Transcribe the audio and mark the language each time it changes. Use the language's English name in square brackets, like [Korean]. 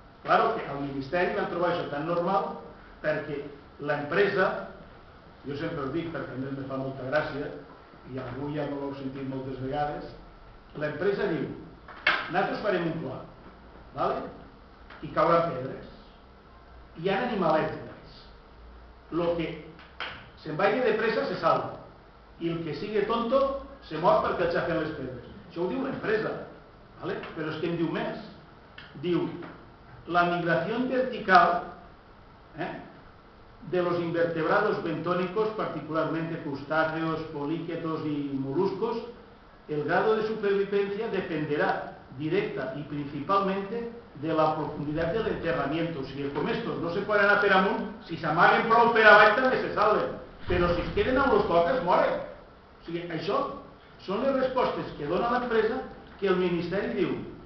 [Catalan] Claro que al Ministeri van trobar això tan normal perquè l'empresa, jo sempre ho dic perquè a mi em fa molta gràcia, i avui ja no l'heu sentit moltes vegades, l'empresa diu, nosaltres farem un pla, i cauran pedres, i hi ha animalets d'aquests. El que se'n vagi de pressa se salva, i el que sigui tonto se mor perquè aixafen les pedres. Això ho diu l'empresa, ¿vale? Però és que em diu més. [Spanish] Diu, la migració vertical de los invertebrados bentónicos, particularmente crustáceos, poliquetos y moluscos, el grado de supervivencia dependerá directa y principalmente de la profundidad del enterramiento. [Catalan] Si el comestos no se puede anar per amunt, si s'amaguen prou per avall també se salven, però si es queden amb los toques moren. O sigui, això són les respostes que dona l'empresa, que el ministeri diu